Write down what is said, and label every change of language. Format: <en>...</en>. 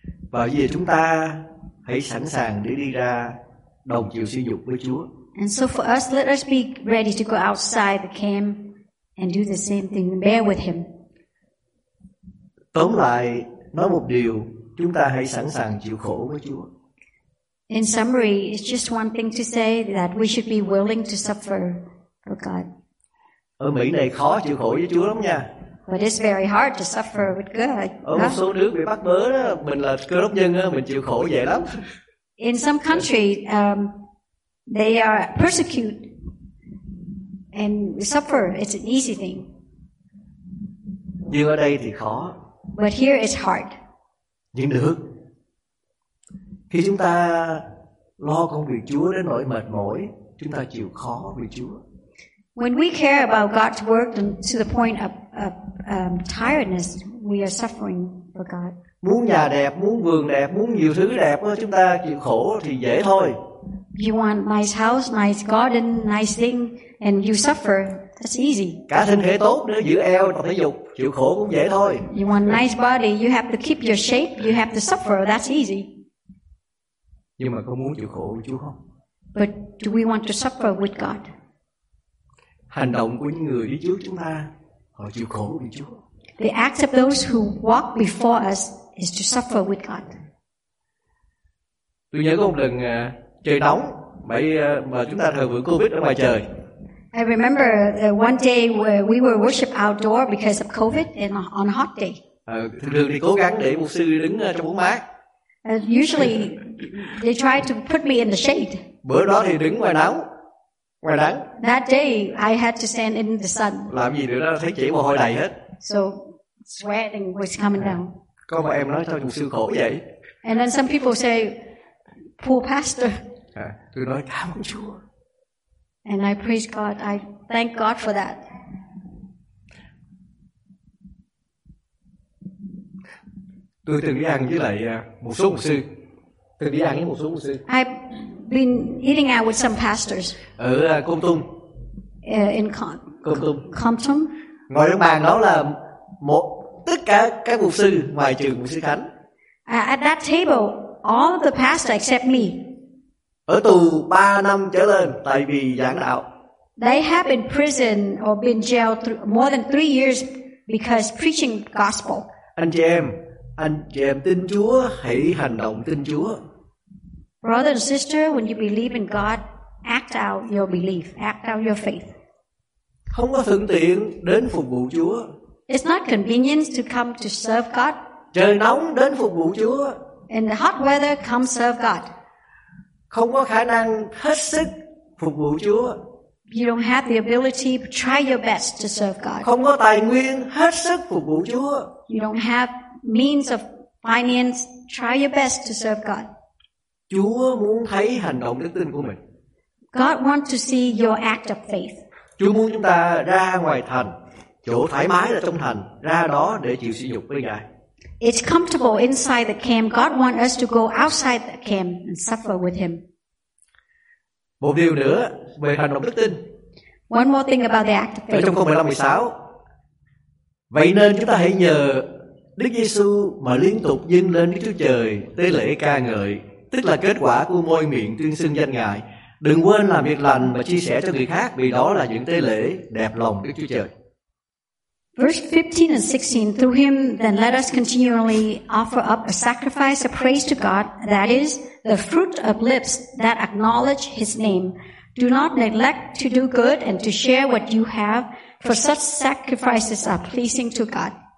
<vi>Và bây giờ chúng ta hãy sẵn sàng để đi ra đồng chịu sỉ nhục với Chúa.</vi> <en>And so for us, let us be ready to go outside the camp and do the same thing, bear with him.</en> <vi>Tóm lại, nói một điều, chúng ta hãy sẵn sàng chịu khổ với Chúa.</vi> <en>In summary, it's just one thing to say that we should be willing to suffer for God.</en> <vi>Ở Mỹ này khó chịu khổ với Chúa lắm nha.</vi> <en>But it's very hard to suffer with God.</en> <vi>Ở một số nước bị bắt bớ đó, mình là Cơ Đốc nhân á, mình chịu khổ dễ lắm.</vi> <en>In some country, they are persecuted and suffer. It's an easy thing.</en> <vi>Nhưng ở đây thì khó.</vi> <en>But here it's hard.</en> <vi>Nhưng được. Khi chúng ta lo công việc Chúa đến nỗi mệt mỏi, chúng ta chịu khó vì Chúa.</vi> <en>When we care about God's work to the point of tiredness, we are suffering for God.</en> <vi>Muốn nhà đẹp, muốn vườn đẹp, muốn nhiều thứ đẹp, chúng ta chịu khổ thì dễ thôi.</vi> <en>You want nice house, nice garden, nice thing, and you suffer. That's easy.</en> <vi>Cả thân thể tốt nữa, giữ eo, tập thể dục, chịu khổ cũng dễ thôi.</vi> <en>You want nice body, you have to keep your shape, you have to suffer. That's easy.</en> <vi>Nhưng mà có muốn chịu khổ với Chúa không?</vi> <en>But do we want to suffer with God?</en> <vi>Hành động của những người đi trước chúng ta, họ chịu khổ vì Chúa.</vi> <en>The acts of those who walk before us is to suffer with God.</en> <vi>Tôi nhớ có một lần trời nóng, mà chúng ta thờ phượng COVID ở ngoài trời.</vi> <en>I remember one day where we were worship outdoor because of COVID and on a hot day.</en> <vi>Thường thì cố gắng để mục sư đứng trong bóng mát.</vi> <en>Usually they try to put me in the shade.</en> <vi>Bữa đó thì đứng ngoài nắng. Ngoài nắng.</vi> <en>That day I had to stand in the sun.</en> <vi>Làm gì nữa, thấy chỉ mồ hôi đầy hết.</vi> <en>So sweating was coming down.</en> <vi>Có một em nói cho mục sư khổ vậy.</vi> <en>And then some people say, poor pastor.</en> <vi>Tôi nói cảm ơn Chúa.</vi> <en>And I praise God. I thank God for that.</en> <vi>Tôi từng đi ăn với lại một số mục sư. Từng đi ăn với một số mục sư.</vi> <en>I've been eating out with some pastors.</en> <vi>Ở Kon Tum.</vi> <en>In Kon Tum. Kon Tum.</en> <vi>Ngồi trong bàn đó là một tất cả các mục sư ngoài trừ mục sư Khánh.</vi> <en>At that table, all of the pastors except me.</en> <vi>Ở tù 3 năm trở lên tại vì giảng đạo.</vi> <en>They have been prison or been jailed more than 3 years because preaching gospel.</en> <vi>Anh chị em tin Chúa, hãy hành động tin Chúa.</vi> <en>Brother and sister, when you believe in God, act out your belief, act out your faith.</en> <vi>Không có thuận tiện đến phục vụ Chúa.</vi> <en>It's not convenient to come to serve God.</en> <vi>Trời nóng đến phục vụ Chúa.</vi> <en>In the hot weather, come serve God.</en> <vi>Không có khả năng hết sức phục vụ Chúa.</vi> <en>You don't have the ability, but try your best to serve God.</en> <vi>Không có tài nguyên hết sức phục vụ Chúa.</vi> <en>You don't have means of finance, try your best to serve God.</en> <vi>Chúa muốn thấy hành động đức tin của mình.</vi> <en>God wants to see your act of faith.</en> <vi>Chúa muốn chúng ta ra ngoài thành, chỗ thoải mái là trong thành, ra đó để chịu sỉ nhục với Ngài.</vi> <en>It's comfortable inside the camp. God wants us to go outside the camp and suffer with him.</en> <vi>Một điều nữa về hành động đức tin.</vi> <en>One more thing about the act of faith.</en> <vi>Ở trong câu 15:16. Vậy nên chúng ta hãy nhờ Đức Giê-xu mà liên tục dâng lên Đức Chúa Trời tế lễ ca ngợi, tức là kết quả của môi miệng tuyên xưng danh Ngài. Đừng quên làm việc lành và chia sẻ cho người khác, vì đó là những tế lễ đẹp lòng Đức Chúa Trời.</vi> <en>Verse 15 and 16, through him, then let us continually offer up a sacrifice of praise to God, that is, the fruit of lips that acknowledge his name. Do not neglect to do good and to share what you have, for such sacrifices are pleasing to God.</en>